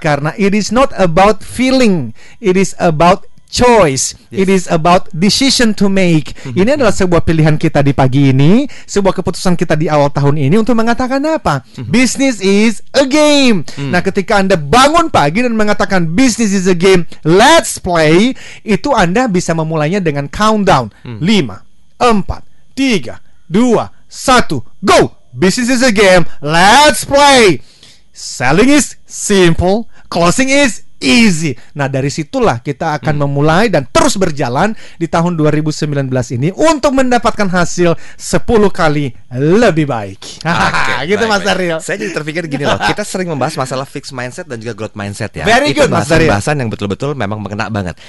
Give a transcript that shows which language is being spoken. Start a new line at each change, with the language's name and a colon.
English: Karena it is not about feeling, it is about choice, it is about decision to make.
Indonesian: Ini adalah sebuah pilihan kita di pagi ini, sebuah keputusan kita di awal tahun ini untuk mengatakan apa?
English: Business is a game.
Indonesian: Nah, ketika Anda bangun pagi dan mengatakan
English: business is a game, let's play,
Indonesian: itu Anda bisa memulainya dengan countdown.
English: 5, 4, 3, 2, 1, go! Business is a game, let's play! Selling is simple, closing is easy.
Indonesian: Nah, dari situlah kita akan memulai dan terus berjalan di tahun 2019 ini untuk mendapatkan hasil 10 kali lebih baik. Okay, gitu, Mas Daryl. Saya jadi terpikir gini loh, kita sering membahas masalah fixed mindset dan juga growth mindset ya.
English: Very good, Mas Daryl.
Indonesian: Itu bahasan yang betul-betul memang mengena banget.